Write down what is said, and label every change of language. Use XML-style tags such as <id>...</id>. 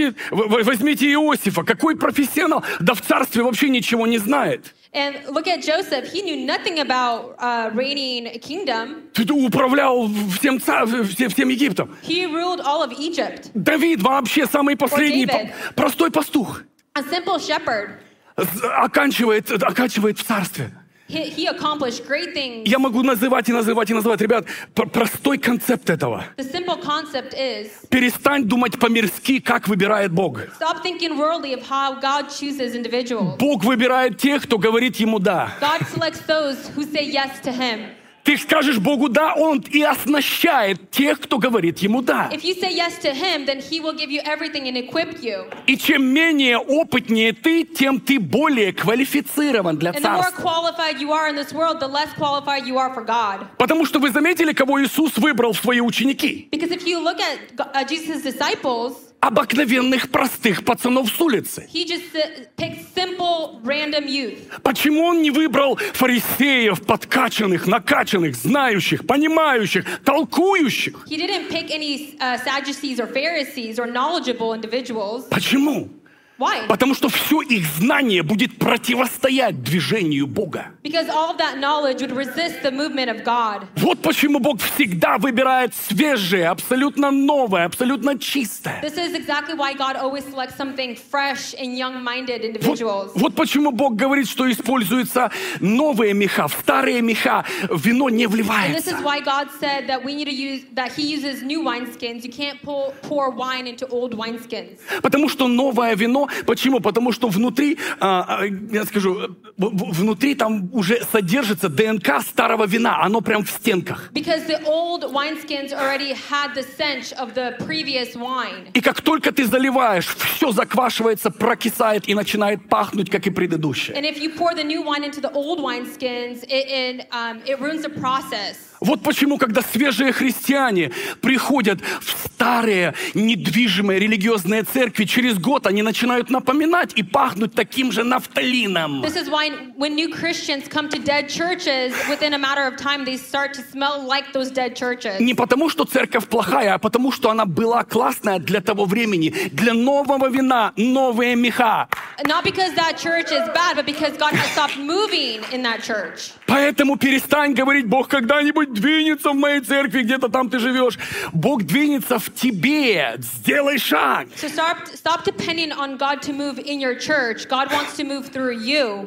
<ru>Возьмите Иосифа, какой профессионал, да в царстве вообще ничего не знает.</ru> <en>And look at Joseph. He knew nothing about reigning a kingdom.</en> <ru>Ты управлял всем Египтом.</ru> <en>He ruled all of Egypt.</en> <ru>Давид вообще самый последний, простой пастух.</ru> <en>A simple shepherd.</en> <ru>Оканчивает в царстве.</ru> <en>He accomplished great things.</en> <ru>Я могу называть и называть и называть. Ребят, простой концепт этого.</ru> <en>The simple concept is,</en> <ru>перестань думать по-мирски, как выбирает Бог.</ru> <en>Stop thinking worldly of how God chooses individuals.</en> <ru>Бог выбирает тех, кто говорит ему «да».</ru> <en>God selects those who say yes to him.</en> <ru>Ты скажешь Богу «да», он и оснащает тех, кто говорит ему «да».</ru> <en>If you say yes to him, then he will give you everything and equip you.</en> <ru>И чем менее опытнее ты, тем ты более квалифицирован для царства.</ru> <en>And the more qualified you are in this world, the less qualified you are for God.</en> <ru>Потому что вы заметили, кого Иисус выбрал в свои ученики?</ru> <en>Because if you look at Jesus' disciples,</en> <ru>обыкновенных простых пацанов с улицы.</ru> <en>He just picked simple, random youth.</en> <ru>Почему он не выбрал фарисеев, подкачанных, накачанных, знающих, понимающих, толкующих?</ru> <en>He didn't pick any Sadducees or Pharisees or knowledgeable individuals.</en> <ru>Почему?</ru> <en>Why?</en> <ru>Потому что все их знание будет противостоять движению Бога.</ru> <en>Because all of that knowledge would resist the movement of God.</en> <ru>Вот почему Бог всегда выбирает свежее, абсолютно новое, абсолютно чистое.</ru> <en>This is exactly why God always selects something fresh and young-minded individuals.</en> <ru>Вот почему Бог говорит, что используются новые меха, в старые меха вино не вливается.</ru> <en>And this is why God said that we need to use that He uses new wineskins. You can't pour wine into old wineskins.</en> <ru>Потому что новое вино Почему? Потому что внутри, я скажу, внутри там уже содержится ДНК старого вина. Оно прям в стенках.</ru> <en>Because the old wineskins already had the stench of the previous wine.</en> <ru>И как только ты заливаешь, все заквашивается, прокисает и начинает пахнуть, как и предыдущее.</ru> <en>And if you pour the new wine into the old wineskins, it ruins the process.</en> <ru>Вот почему, когда свежие христиане приходят в старые недвижимые религиозные церкви, через год они начинают напоминать и пахнуть таким же нафталином.</ru> <en>This is why when new Christians come to dead churches, within a matter of time they start to smell like those dead churches.</en> <ru>Не потому, что церковь плохая, а потому, что она была классная для того времени, для нового вина, новые меха.</ru> <en>Not because that church is bad, but because God has stopped moving in that church.</en> <ru>Поэтому перестань говорить, Бог когда-нибудь двинется в моей церкви, где-то там ты живешь. Бог двинется в тебе. Сделай шаг.</ru> <en>So stop depending on God to move in your church. God wants to move through you.</en>